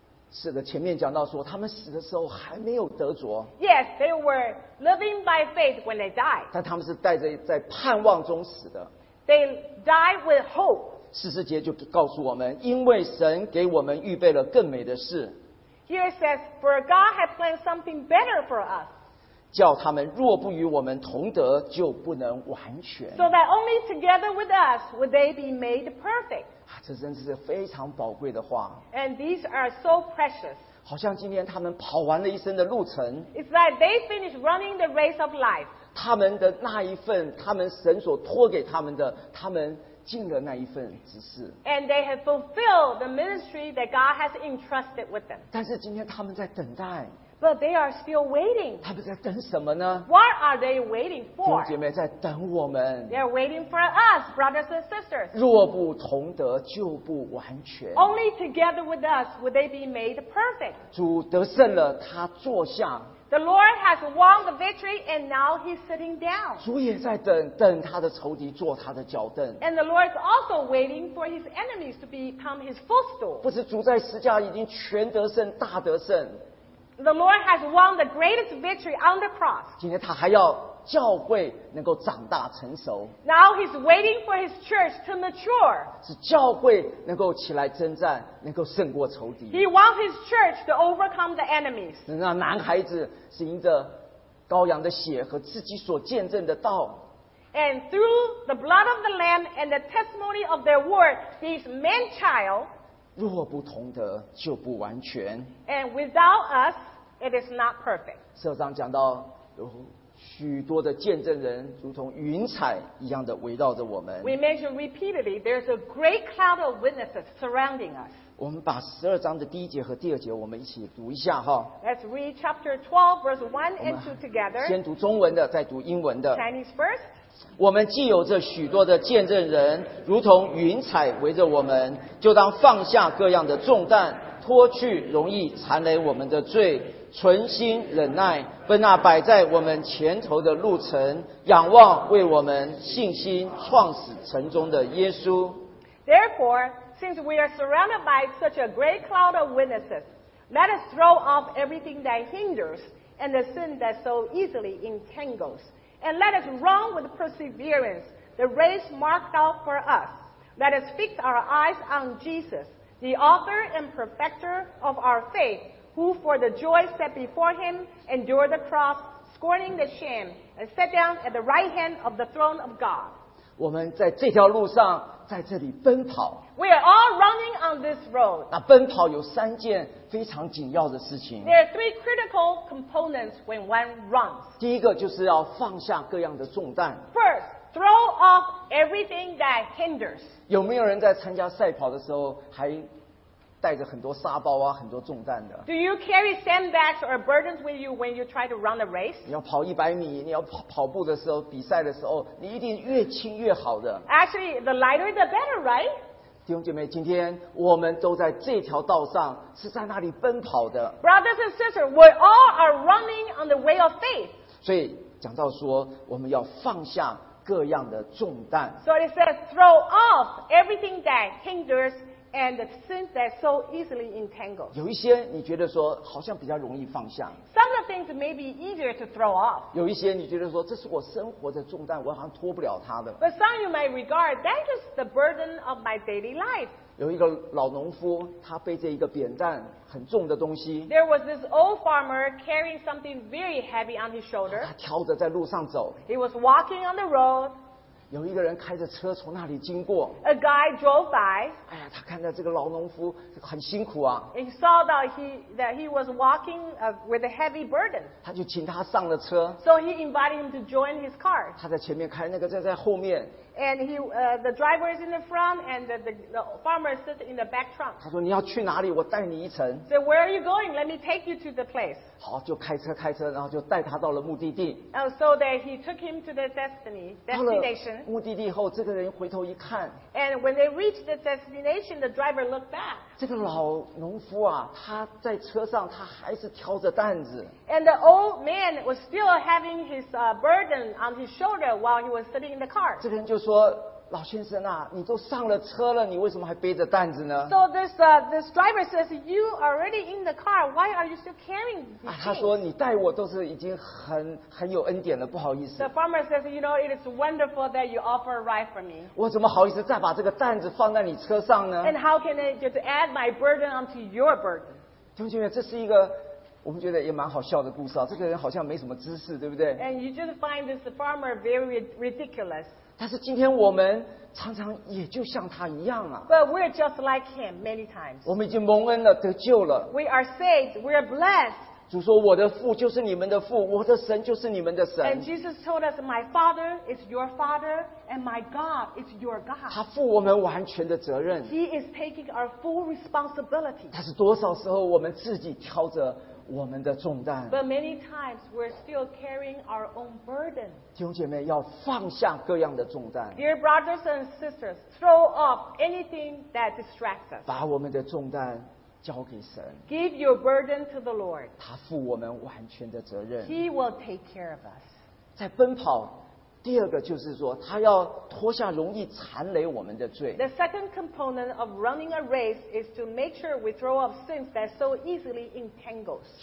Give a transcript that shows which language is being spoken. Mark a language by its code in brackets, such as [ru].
[zh] 是的，前面讲到说，他们死的时候还没有得着。 [en] Yes, they were living by faith when they died. [zh] 但他们是带着在盼望中死的。 [en] They died with hope. [zh] 四十节就告诉我们，因为神给我们预备了更美的事。 [en] Here it says, for God had planned something better for us. [zh] 叫他们若不与我们同德，就不能完全。 [en] So that only together with us would they be made perfect. [zh] 啊，这真是非常宝贵的话。 [en] And these are so precious. [zh] 好像今天他们跑完了一生的路程。 [en] It's like they finished running the race of life. [zh] 他们的那一份，他们神所托给他们的，他们尽了那一份职事。 [en] And they have fulfilled the ministry that God has entrusted with them. [zh] 但是今天他们在等待。 [en] But they are still waiting. [zh] 他们在等什么呢？ [en] What are they waiting for? [zh] 弟兄姐妹在等我们。 [en] They are waiting for us, brothers and sisters. [zh] 若不同德，就不完全。 [en] Only together with us would they be made perfect. [zh] 主得胜了，他坐下。 [en] The Lord has won the victory and now he's sitting down. [zh] 主也在等，等他的仇敌做他的脚凳。 [en] And the Lord is also waiting for his enemies to become his footstool. [zh] 不是主在十字架已经全得胜，大得胜。 [en] The Lord has won the greatest victory on the cross. [zh] 今天他还要教会能够长大成熟。 [en] Now he's waiting for his church to mature. [zh] 是教会能够起来征战，能够胜过仇敌。 [en] He wants his church to overcome the enemies. [zh] 是让男孩子是因着羔羊的血和自己所见证的道。 [en] And through the blood of the lamb and the testimony of their word, these man child. [zh] 若不同德，就不完全。 [en] And without us, it is not perfect. [zh] 十二章讲到许多的见证人如同云彩一样的围绕着我们。 [en] We mentioned repeatedly there's a great cloud of witnesses surrounding us. [zh] 我们把十二章的第一节和第二节我们一起读一下哈。 [en] Let's read chapter 12 verse 1 and 2 together. [zh] 先读中文的，再读英文的。 [en] Chinese first. [zh] 我们既有着许多的见证人如同云彩围着我们，就当放下各样的重担，脱去容易缠累我们的罪，存心忍耐奔那摆在我们前头的路程，仰望为我们信心创始成终的耶稣。 [en] Therefore, since we are surrounded by such a great cloud of witnesses, let us throw off everything that hinders and the sin that so easily entangles. And let us run with perseverance the race marked out for us. Let us fix our eyes on Jesus, the author and perfecter of our faith, who for the joy set before him endured the cross, scorning the shame, and sat down at the right hand of the throne of God. [zh] 我们在这条路上, 在这里奔跑, [en] we are all running on this road. [zh] 那奔跑有三件非常紧要的事情。 [en] There are three critical components when one runs. [zh] 第一个就是要放下各样的重担。 [en] First, throw off everything that hinders. [zh] 有没有人在参加赛跑的时候 还带着很多沙包啊, 很多重担的? [en] Do you carry sandbags or burdens with you when you try to run a race? [zh] 你要跑100米, 你要跑步的时候, 比赛的时候, 你一定越轻越好的。 [en] Actually, the lighter the better, right? [zh] 弟兄姐妹, 今天我们都在这条道上, 是在那里奔跑的。 [en] Brothers and sisters, we all are running on the way of faith. [zh] 所以讲到说, 我们要放下 各样的重担。 [en] So it says, throw off everything that hinders and the sins that so easily entangle. [zh] 有一些你觉得说, 好像比较容易放下。 [en] Some of the things may be easier to throw off. [zh] 有一些你觉得说, 这是我生活的重担, 我好像脱不了它的。 [en] But some you might regard, that is the burden of my daily life. [zh] 有一个老农夫, 他背着一个扁担, 很重的东西。 [en] There was this old farmer carrying something very heavy on his shoulder. [zh] 他挑着在路上走。 [en] He was walking on the road. [zh] 有一个人开着车从那里经过。 [en] A guy drove by. [zh] 哎呀，他看到这个老农夫很辛苦啊。 [en] He saw that he was walking with a heavy burden. [zh] 他就请他上了车。 [en] So he invited him to join his car. [zh] 他在前面开，那个在后面。 [en] And the driver is in the front, and the farmer is sitting in the back trunk. [zh] 他说你要去哪里，我带你一程。 [en] So where are you going? Let me take you to the place. [zh] 好，就开车，然后就带他到了目的地。 [en] Oh, so that he took him to the destination. [zh] 目的地后，这个人回头一看。 [en] And when they reached the destination, the driver looked back. [zh] 这个老农夫啊, 他在车上，他还是挑着担子。 [en] And the old man was still having his burden on his shoulder while he was sitting in the car. [zh] 这个人就说, 老先生啊, 你都上了车了, 你为什么还背着担子呢? [en] So this driver says, you are already in the car, why are you still carrying these things? [zh] 他说, 你带我都是已经很有恩典了, 不好意思。 [en] The farmer says, you know, it is wonderful that you offer a ride for me. [zh] 我怎么好意思再把这个担子放在你车上呢? [en] And how can I just add my burden onto your burden? [zh] 弟兄姐妹, 这是一个 我们觉得也蛮好笑的故事啊, 这个人好像没什么知识, 对不对? [en] And you just find this farmer very ridiculous. [zh] 但是今天我们常常也就像他一样啊。 [en] But we're just like him many times. [zh] 我们已经蒙恩了, 得救了。 [en] We are saved, we are blessed. [zh] 主说我的父就是你们的父, 我的神就是你们的神。 [en] And Jesus told us, my father is your father, and my God is your God. [zh] 他负我们完全的责任。 [en] He is taking our full responsibility. [zh] 但是多少时候我们自己挑着 [en] But many times we're still carrying our own burden. [zh] 弟兄姐妹, 要放下各样的重担。 [en] Dear brothers and sisters, throw off anything that distracts us. [zh] 把我们的重担交给神。 [en] Give your burden to the Lord. [zh] 他负我们完全的责任。 [en] He will take care of us. [zh] 在奔跑, 第二个就是说, 他要脱下容易缠累我们的罪。 [en] The second component of running a race is to make sure we throw off sins that so easily entangle.